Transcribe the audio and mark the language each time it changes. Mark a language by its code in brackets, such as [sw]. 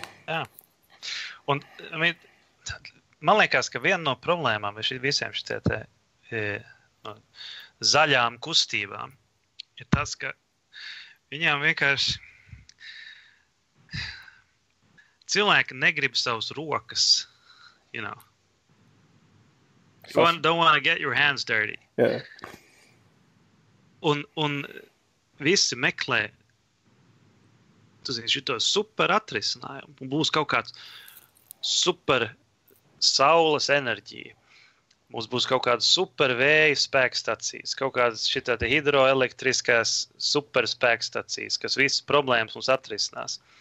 [lv] Jā, un man liekas, ka viena no problēmām ir visiem šitie te no zaļām kustībām, ir tas, ka viņām vienkārši cilvēki negrib savus rokas, [en] you know. Don't want to get your hands dirty. Yeah. [lv] Un visi meklē, tu zini, šito super atrisinājumu. Būs kaut kāds super saules enerģija. Mums būs kaut kāds super vēja spēkstacijas, kaut kāds šitā te hidroelektriskās super spēkstacijas, kas visas problēmas mums atrisinās.